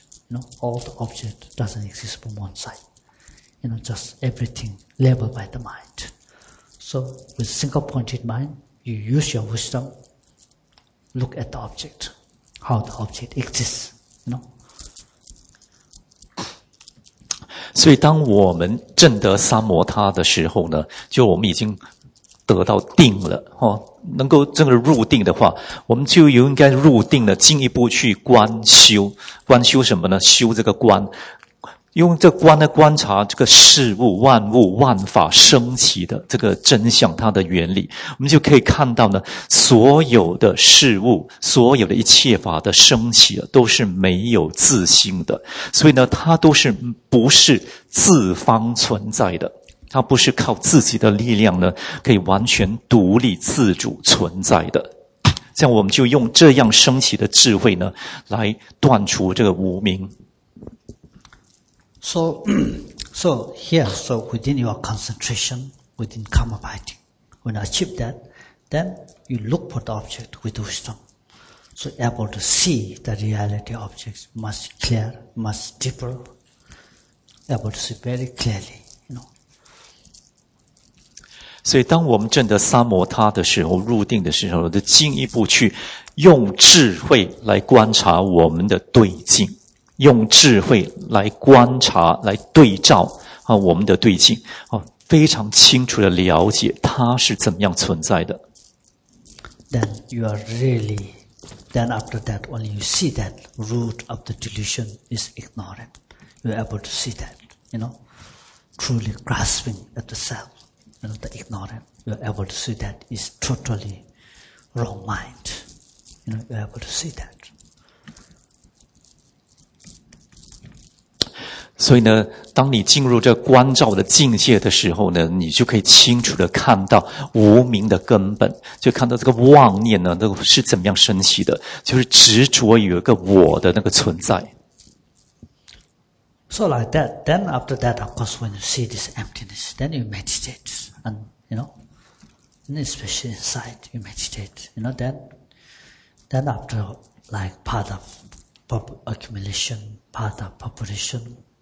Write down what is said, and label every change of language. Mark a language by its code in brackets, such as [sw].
[en] You know, all the object doesn't exist from one side. You know, just everything labeled by the mind. So, with single-pointed mind, you use your wisdom, look at the object, how the object exists, you know. [zh] 所以当我们证得萨摩他的时候呢，就我们已经得到定了，能够真的入定的话，我们就应该入定了，进一步去观修。观修什么呢？修这个观，用这观呢观察这个事物、万物、万法升起的这个真相，它的原理，我们就可以看到呢，所有的事物、所有的一切法的升起都是没有自性的，所以呢，它都是不是自方存在的。它不是靠自己的力量呢，可以完全独立自主存在的。这样我们就用这样升起的智慧呢，来断除这个无明。 [en] So here, so within your concentration, within karma biting, when you achieve that, then you look for the object with wisdom. So able to see the reality objects must clear, must deeper, able to see very clearly. [zh] 所以当我们证得萨摩他的时候，入定的时候，就进一步去用智慧来观察我们的对境，用智慧来观察，来对照啊我们的对境啊，非常清楚的了解它是怎么样存在的。 [en] Then you are really, then after that, only you see that root of the delusion is ignorant. You are able to see that, you know, truly grasping at the self. And the ignorant, you're able to see that is totally wrong mind. You know, you're able to see that. [zh] 所以呢，当你进入这观照的境界的时候呢，你就可以清楚的看到无明的根本，就看到这个妄念呢，那个是怎么样升起的，就是执着有一个我的那个存在。 [en] So like that, then after that, of course, when you see this emptiness, then you meditate, and you know, and especially inside, you meditate, you know, then after like part of accumulation, part of population.